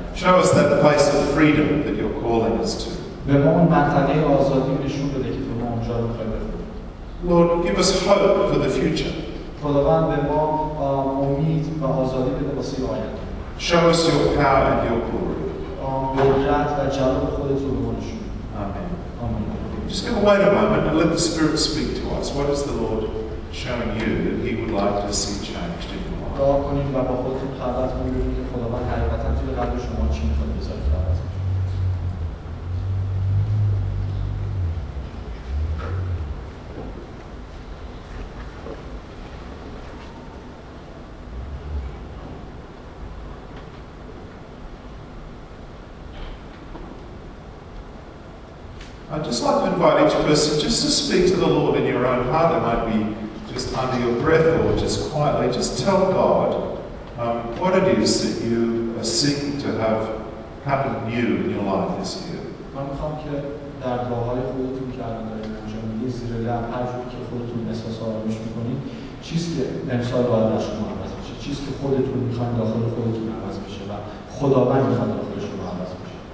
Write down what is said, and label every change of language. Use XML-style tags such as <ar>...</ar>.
<en>Show us that place of freedom that you're calling us to.</en> <fa>به ما اون منطقه آزادی نشون بده که تو ما اونجا رو میخوای بفرستی.</fa> <en>Lord, give us hope for the future.</en> <fa>خداوند به ما امید و آزادی بده واسه آینده.</fa> <en>Show us your power and your glory.</en> <fa>قدرت و جلال خودت رو به ما نشون بده. Amen.</fa> <en>Amen. Just going to wait a moment and let the Spirit speak to us. What is the Lord showing you that He would like to see changed in your life.</en> <fa>دعا کنیم و با خودتون خلوت کنیم ببینیم که خداوند حقیقتا توی قلب شما چی میخواد بذاره که عوض بشه.</fa> <en>I'd just like to invite each person just to speak to the Lord in your own heart. It might be just under your breath or just quietly, just tell God what it is that you are seeking to have happen new in your life this year.</en> <fa>من میخوام که در دعاهای خودتون که الان دارید انجام میدید زیر لب هر جوری که خودتون احساس آرامش میکنید چیزی که امسال باید در شما عوض بشه، چیزی که خودتون میخواید داخل خودتون عوض بشه و خداوند میخواد داخل شما عوض بشه.</fa>